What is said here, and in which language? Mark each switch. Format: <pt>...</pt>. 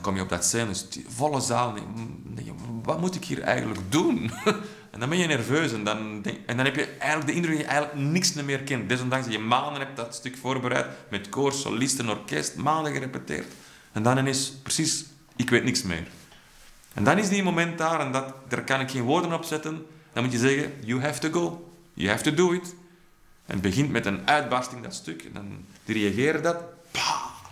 <nl>kom je op dat scène, dus die volle zaal. Wat moet ik hier eigenlijk doen? En dan ben je nerveus en dan heb je eigenlijk de indruk dat je eigenlijk niks meer kent. Desondanks dat je maanden hebt dat stuk voorbereid met koor, solisten, orkest, maanden gerepeteerd. En dan is precies, ik weet niks meer. En dan is die moment daar en daar kan ik geen woorden op zetten. Dan moet je zeggen,</nl> <en>you have to go, you have to do it.</en> <nl>En het begint met een uitbarsting dat stuk en dan reageren dat. Pah.</nl>